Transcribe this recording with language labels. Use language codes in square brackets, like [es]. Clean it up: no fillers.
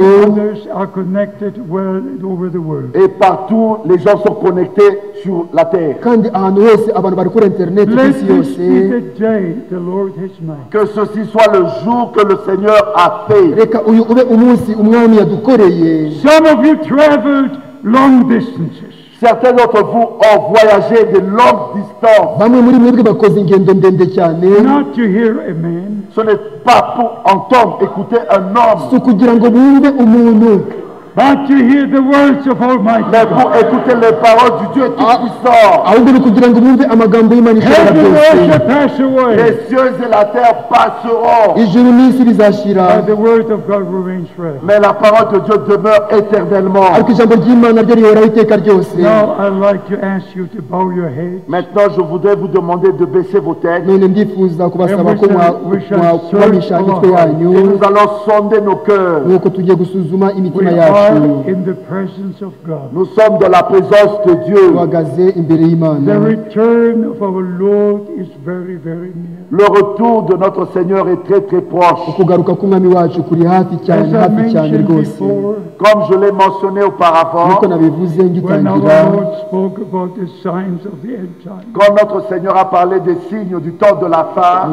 [en] And many others are connected well over the world. [fr] Et partout, les gens sont connectés sur la terre. [rw] Kandi ahantu hose abantu bari kuri internet [fr] ici aussi. [en] Let this be the day the Lord has made. [fr] Que ceci soit le jour que le Seigneur a fait. [rw] Reka uyu ube umunsi umwami yadukoreye. [en] Some of you traveled long distances. [fr] Certains d'entre vous ont voyagé de longues distances. [rw] Bamwe muri mwebwe bakoze ingendo ndende cyane. [en] Not to hear a man. [fr] Ce n'est pas pour entendre, écouter un homme. [rw] Si kugira ngo bumve umuntu. [en] But to hear the words of Almighty God. [fr] Mais pour écouter les paroles du Dieu tout-puissant. [rw] Ahubwo ni kugira ngo bumve amagambo y'Imana ishaka. [en] Heaven and earth shall pass away. [fr] Les cieux et la terre passeront. [rw] Ijuru n'isi rizashira. [en] But the word of God remains forever. [fr] Mais la parole de Dieu demeure éternellement. [rw] Ariko ijambo ry'Imana ryo rihoraho iteka ryose. [en] Now I'd like to ask you to bow your heads. [fr] Maintenant je voudrais vous demander de baisser vos têtes. [rw] None ndifuza kubasaba ko mwakubamisha imitwe yanyu. [fr] Et nous allons sonder nos cœurs. [rw] Nuko tujye gusuzuma imitima yacu. [en] In the presence of God. [fr] Nous sommes dans la présence de Dieu. [rw] Wagaze imbere y'Imana. [en] The return of our Lord is very, very near. [fr] Le retour de notre Seigneur est très, très proche. [rw] Ukugaruka kumwami wacu kuri hafi cyane, hafi cyane rwose. [fr] Comme je l'ai mentionné auparavant. [rw] Nuko nabivuze ngitangira. [en] When our Lord spoke about the signs of the end time. [fr] Quand notre Seigneur a parlé des signes du temps de la fin.